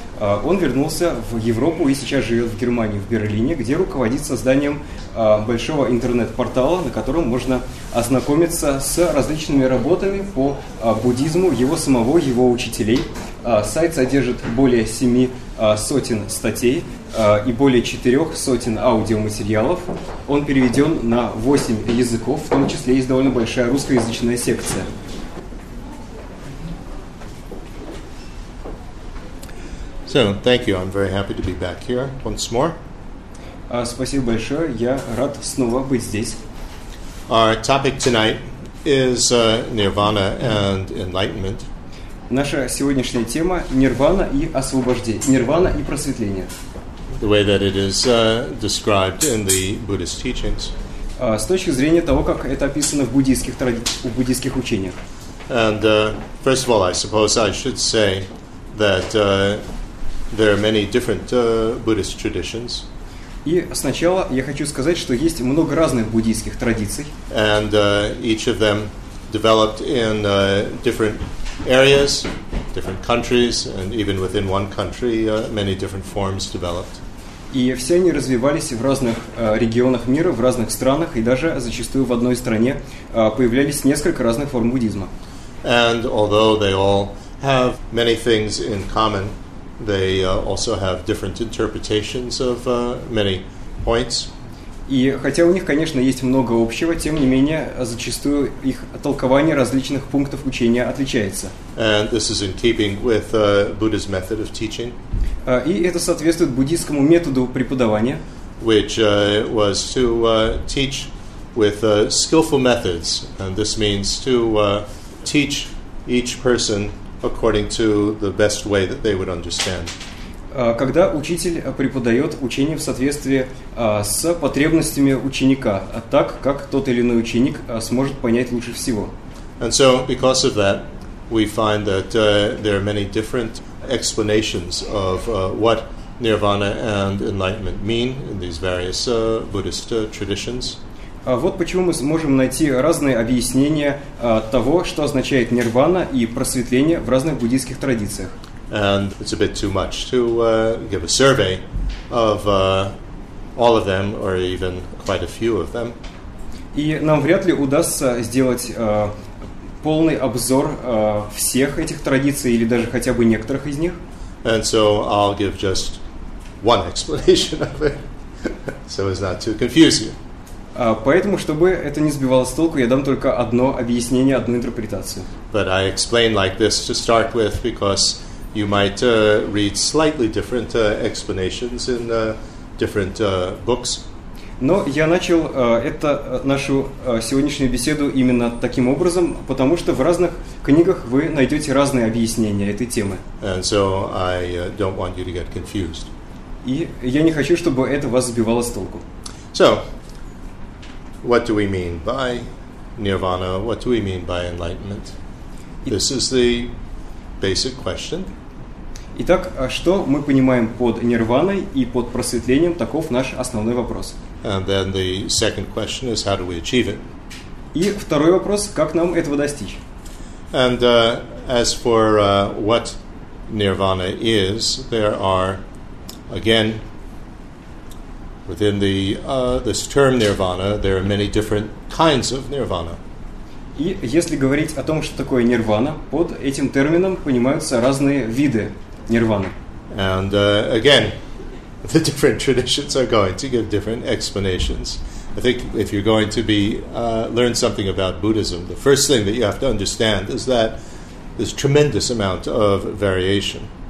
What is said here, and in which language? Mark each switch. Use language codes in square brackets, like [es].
[ru] Он вернулся в Европу и сейчас живет в Германии, в Берлине, где руководит созданием большого интернет-портала, на котором можно ознакомиться с различными работами по буддизму его самого, его учителей. Сайт содержит более 700 статей и более 400 аудиоматериалов. Он переведен на 8 языков, в том числе есть довольно большая русскоязычная секция. [en] So, thank you. I'm very happy to be back here once more. [ru] Спасибо большое. Я рад снова быть здесь. [en] Our topic tonight is Nirvana and enlightenment. [ru] Наша сегодняшняя тема — Нирвана и освобождение. Нирвана и просветление. [en] The way that it is described in the Buddhist teachings. [ru] С точки зрения того, как это описано в буддийских буддийских учениях. [en] And first of all, I suppose I should say that there are many different Buddhist traditions. [ru] И сначала я хочу сказать, что есть много разных буддийских традиций. [en] And each of them developed in different areas, different countries, and even within one country, many different forms developed. [ru] И все они развивались в разных регионах мира, в разных странах, и даже зачастую в одной стране появлялись несколько разных форм буддизма. [en] And although they all have many things in common, they also have different interpretations of many points. [ru] И хотя у них, конечно, есть много общего, тем не менее, зачастую их толкование различных пунктов учения отличается. [en] And this is in keeping with Buddha's method of teaching. [ru] И это соответствует буддийскому методу преподавания. [en] Which was to teach with skillful methods. And this means to teach each person according to the best way that they would understand. [ru] Когда учитель преподает учение в соответствии с потребностями ученика, так, как тот или иной ученик сможет понять лучше всего. [en] And so, because of that, we find that there are many different explanations of what nirvana and enlightenment mean in these various Buddhist traditions. [ru] Вот почему мы сможем найти разные объяснения того, что означает нирвана и просветление в разных буддийских традициях. [en] And it's a bit too much to give a survey of all of them, or even quite a few of them. [ru] И нам вряд ли удастся сделать полный обзор всех этих традиций или даже хотя бы некоторых из них. [en] And so I'll give just one explanation of it, so as not to confuse you. [ru] Поэтому, чтобы это не сбивало с толку, я дам только одно объяснение, одну интерпретацию. [en] But I explain like this to start with, because you might read slightly different explanations in different books. [ru] Но я начал это нашу сегодняшнюю беседу именно таким образом, потому что в разных книгах вы найдете разные объяснения этой темы. [en] And so I don't want you to get confused. [ru] И я не хочу, чтобы это вас сбивало с толку. [en] So, what do we mean by nirvana? What do we mean by enlightenment? This is the basic question. [ru] Итак, что мы понимаем под нирваной и под просветлением, таков наш основной вопрос. [en] And then the second question is, how do we achieve it? [ru] И второй вопрос, как нам этого достичь? [en] And as for what nirvana is, there are, again, within the this term nirvana, there are many different kinds of nirvana. [ru] И если говорить о том, что такое нирвана, под этим термином понимаются разные виды нирваны. [en] And again, the different traditions are going to give different explanations. I think if you're going to be learn something about Buddhism, the first thing that you have to understand is that there's tremendous amount of variation.